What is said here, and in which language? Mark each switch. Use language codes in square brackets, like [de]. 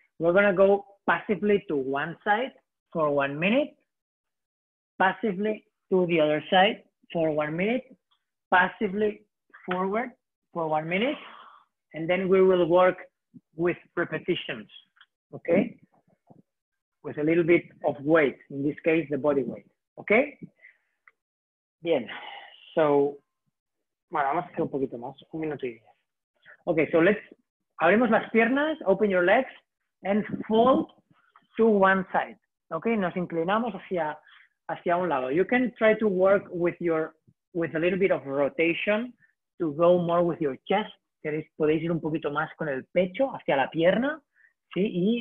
[en] We're going to go passively to one side for 1 minute, passively to the other side for 1 minute, passively forward for 1 minute, and then we will work with repetitions, okay? With a little bit of weight, in this case, the body weight, okay? [es] Bien, so... Bueno, vamos a hacer un poquito más, un minuto y diez. [en] Okay, so let's, abrimos las piernas, open your legs, and fold to one side. [es] Okay, nos inclinamos hacia un lado. [en] You can try to work with a little bit of rotation to go more with your chest. [es] ¿Queréis? Podéis ir un poquito más con el pecho hacia la pierna, ¿sí?